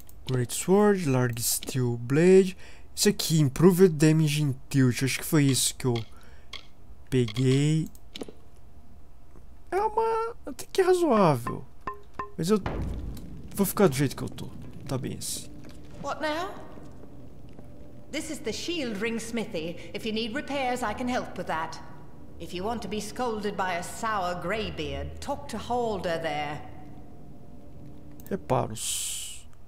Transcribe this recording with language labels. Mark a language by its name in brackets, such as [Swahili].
[English] Great sword, large steel blade. [Portuguese] Isso aqui, Improved Damage in Tilt, acho que foi isso que eu peguei. É uma... Até que razoável. Mas eu... Vou ficar do jeito que eu tô. Tá bem assim. [English] What now? This is the shield ring smithy. If you need repairs, I can help with that. If you want to be scolded by a sour greybeard, talk to Holder there. [Portuguese] Reparos.